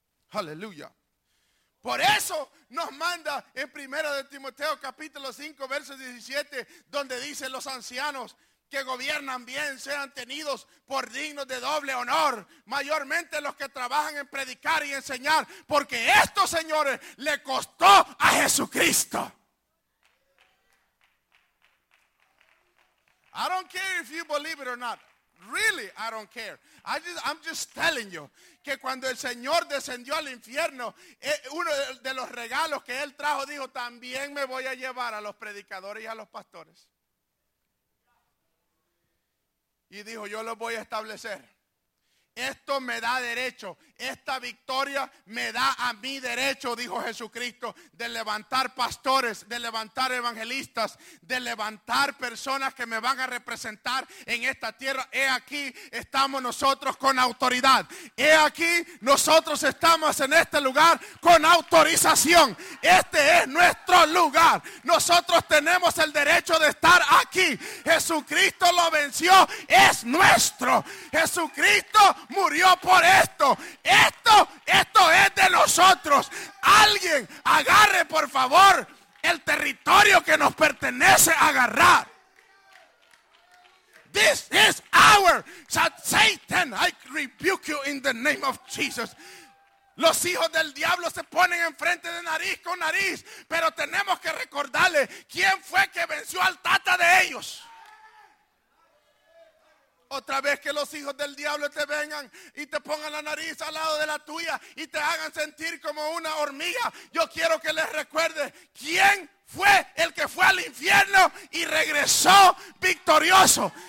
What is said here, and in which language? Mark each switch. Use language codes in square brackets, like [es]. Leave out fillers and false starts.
[es] Aleluya. Por eso nos manda en 1 de Timoteo capítulo 5 verso 17, donde dice: los ancianos que gobiernan bien sean tenidos por dignos de doble honor, mayormente los que trabajan en predicar y enseñar, porque esto, señores, le costó a Jesucristo. [en] I don't care if you believe it or not. Really, I don't care. I'm just telling you [es] que cuando el Señor descendió al infierno, uno de los regalos que él trajo, dijo: también me voy a llevar a los predicadores y a los pastores. Y dijo: yo los voy a establecer. Esto me da derecho. Esta victoria me da a mí derecho, dijo Jesucristo, de levantar pastores, de levantar evangelistas, de levantar personas que me van a representar en esta tierra. He aquí, estamos nosotros con autoridad. He aquí, nosotros estamos en este lugar con autorización. Este es nuestro lugar. Nosotros tenemos el derecho de estar aquí. Jesucristo lo venció, es nuestro. Jesucristo murió por esto. Esto es de nosotros. Alguien agarre, por favor, el territorio que nos pertenece a agarrar. [en] This is our Satan. I rebuke you in the name of Jesus. [es] Los hijos del diablo se ponen enfrente de nariz con nariz, pero tenemos que recordarle quién fue que venció al tata de ellos. Otra vez que los hijos del diablo te vengan y te pongan la nariz al lado de la tuya y te hagan sentir como una hormiga, yo quiero que les recuerde quién fue el que fue al infierno y regresó victorioso.